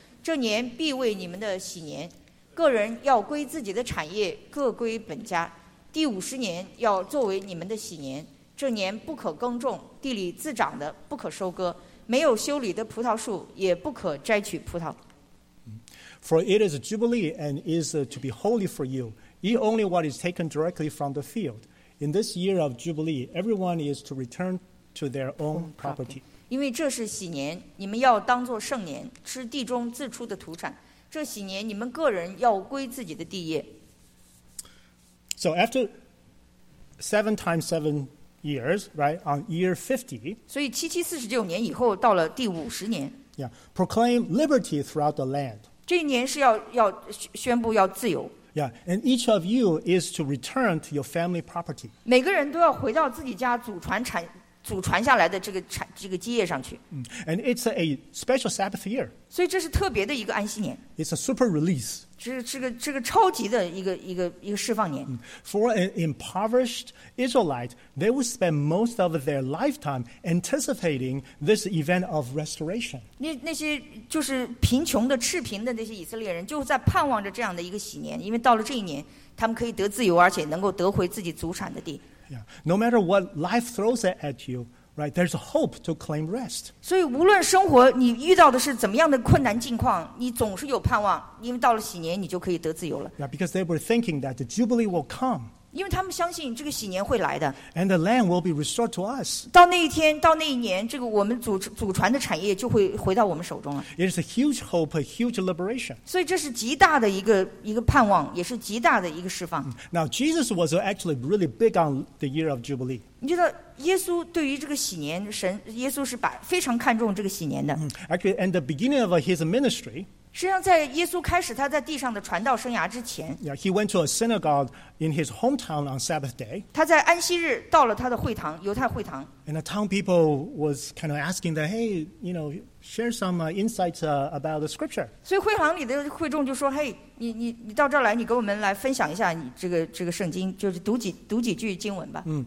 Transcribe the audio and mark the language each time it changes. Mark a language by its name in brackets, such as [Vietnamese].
[Chinese] 这年必为你们的喜年，个人要归自己的产业，各归本家。第五十年要作为你们的喜年，这年不可耕种，地里自长的不可收割，没有修理的葡萄树也不可摘取葡萄。 [English] For it is a jubilee and is to be holy for you. Eat only what is taken directly from the field. In this year of jubilee, everyone is to return to their own property. [Chinese] 因为这是喜年，你们要当作圣年，吃地中自出的土产。这喜年，你们个人要归自己的地业。 [English] So after 7 times 7 years, right, on year 50. [Chinese] 所以七七四十九年以后，到了第五十年。 [English] Yeah, proclaim liberty throughout the land. [Chinese] 这一年是 要宣布要自由。 [English] Yeah, and each of you is to return to your family property. [Chinese] 每个人都要回到自己家祖传下来的这个基业上去。 [English] And it's a special Sabbath year. [Chinese] 所以这是特别的一个安息年。 [English] It's a super release. [Chinese] 这个超级的一个释放年。 [English] For an impoverished Israelite, they would spend most of their lifetime anticipating this event of restoration. [Chinese] 那些就是贫穷的赤贫的那些以色列人，就在盼望着这样的一个喜年，因为到了这一年，他们可以得自由，而且能够得回自己祖产的地。 [English] Yeah. No matter what life throws at you, right? There's hope to claim rest. [Chinese] 所以无论生活你遇到的是怎么样的困难境况，你总是有盼望，因为到了喜年，你就可以得自由了。 [English] Yeah, because they were thinking that the jubilee will come. [Chinese] 因为他们相信这个喜年会来的。 [English] And the land will be restored to us. [Chinese] 到那一天，到那一年，这个我们祖传的产业就会回到我们手中了。 [English] It is a huge hope, a huge liberation. [Chinese] 所以这是极大的一个盼望，也是极大的一个释放。 [English] Now Jesus was actually really big on the year of jubilee. [Chinese] 你知道耶稣对于这个喜年，神耶稣是把非常看重这个喜年的。 [English] Actually, in the beginning of his ministry. [Chinese] 实际上在耶稣开始他在地上的传道生涯之前 [English] yeah, He went to a synagogue in his hometown on Sabbath day [Chinese] 他在安息日到了他的会堂犹太会堂 [English] And the town people was kind of asking that Hey, you know, share some insights about the scripture [Chinese] 所以会堂里的会众就说 Hey, 你到这儿来你给我们来分享一下你这个圣经就是读几句经文吧、